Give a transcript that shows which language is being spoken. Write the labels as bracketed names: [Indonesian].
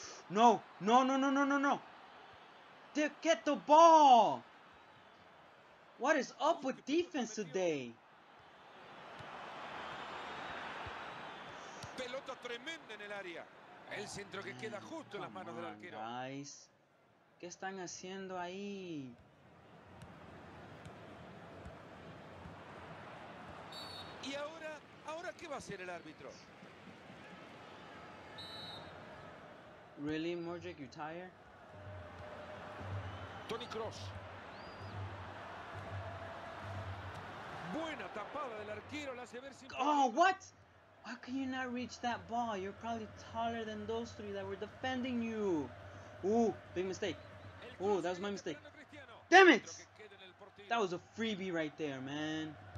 [English] No, no, no, no, no, no, no. Get the ball. What is up with defense today? [Spanish] Pelota tremenda en el área. El centro que queda justo en las manos del arquero. Guys, ¿qué están haciendo ahí? Y ahora, ¿ahora qué va a hacer el árbitro? [English] Really, Modric, you tired? Toni Kroos. [Spanish] Buena tapada del arquero, la hace ver sin... [English] Oh, what? How can you not reach that ball? You're probably taller than those three that were defending you. Ooh, big mistake. Ooh, that was my mistake. Damn it! That was a freebie right there, man.